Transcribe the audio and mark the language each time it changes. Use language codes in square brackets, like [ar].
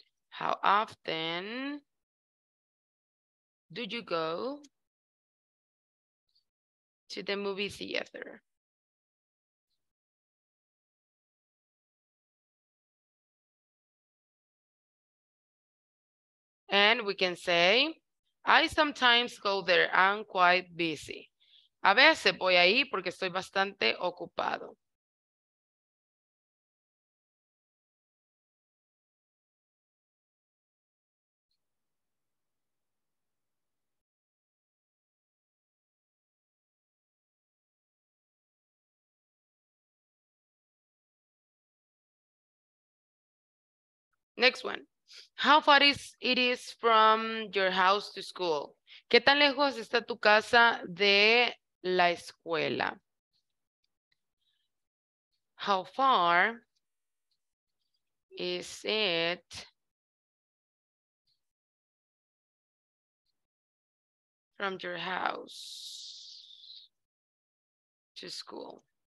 [en] How often do you go to the movie theater? And we can say, I sometimes go there. I'm quite busy. [es] A veces voy ahí porque estoy bastante ocupado. [en] Next one. How far is it is from your house to school? [es] ¿Qué tan lejos está tu casa de la escuela? [en] How far is it from your house to school?